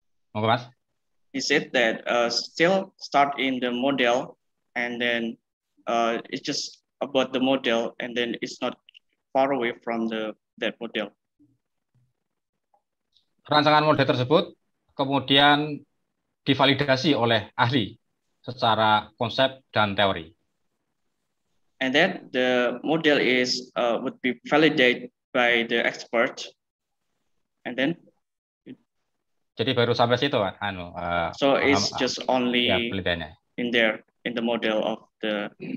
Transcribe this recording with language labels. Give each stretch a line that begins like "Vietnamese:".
Javanese: Monggo, Mas.
English: He said that still start in the model and then it's just about the model and then it's not far away from that model.
Indonesian: Rancangan model tersebut kemudian divalidasi oleh ahli secara konsep dan teori.
English: And then the model is would be validated by the expert. And then.
Indonesian: Jadi baru sampai situ,
English: So it's just only in there in the model of the.